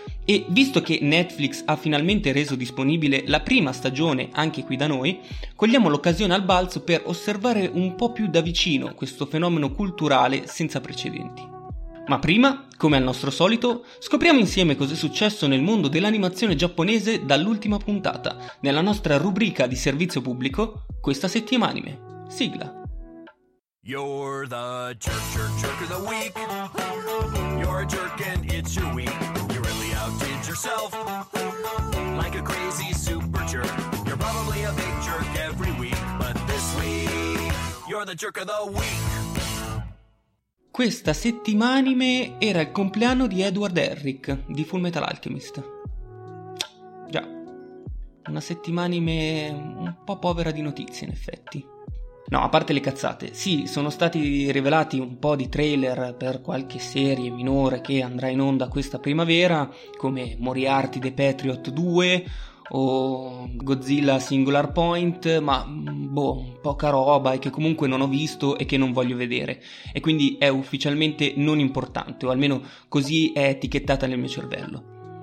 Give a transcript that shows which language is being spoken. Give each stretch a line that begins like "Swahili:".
Italian: E visto che Netflix ha finalmente reso disponibile la prima stagione anche qui da noi, cogliamo l'occasione al balzo per osservare un po' più da vicino questo fenomeno culturale senza precedenti. Ma prima, come al nostro solito, scopriamo insieme cos'è successo nel mondo dell'animazione giapponese dall'ultima puntata, nella nostra rubrica di servizio pubblico, questa settimana anime. Sigla.
English: You're the jerk, jerk, jerk of the week. You're a jerk and it's your week. You really outdid yourself. Like a crazy super jerk. You're probably a big jerk every week. But this week, you're the jerk of the week.
Italian: Questa settimana anime era il compleanno di Edward Elric di Fullmetal Alchemist. Già, una settimana anime un po' povera di notizie in effetti. No, a parte le cazzate, sì, sono stati rivelati un po' di trailer per qualche serie minore che andrà in onda questa primavera, come Moriarty The Patriot 2 o Godzilla Singular Point, ma boh, poca roba e che comunque non ho visto e che non voglio vedere, e quindi è ufficialmente non importante, o almeno così è etichettata nel mio cervello.